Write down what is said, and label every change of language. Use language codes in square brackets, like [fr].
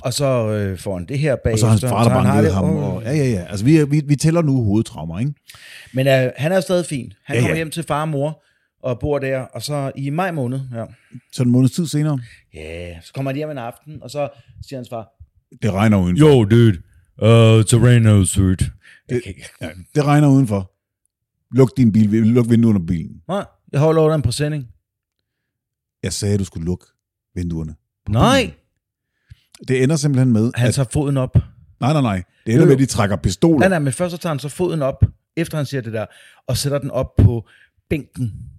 [da] Og så får han det her bag. Og så har hans far, der bare nede ham. Ja. Altså, vi tæller nu hovedtraumer, ikke? Men han er jo stadig fint. Han kommer hjem til far og mor, og bor der, og så i maj måned, ja. Så en måneds tid senere? Ja, yeah. Så kommer han hjem en aften, og så siger hans far, det regner udenfor. [en] Yo, dude, it's a rain outside. [da] Det regner udenfor. Luk vinduerne på bilen. Nej, jeg holder over den præsending. Jeg sagde, at du skulle lukke vinduerne. Nej! Det ender simpelthen med, han tager foden op. Nej. Det ender med, at de trækker pistoler. Nej, men først så tager han så foden op, efter han siger det der, og sætter den op på bænken.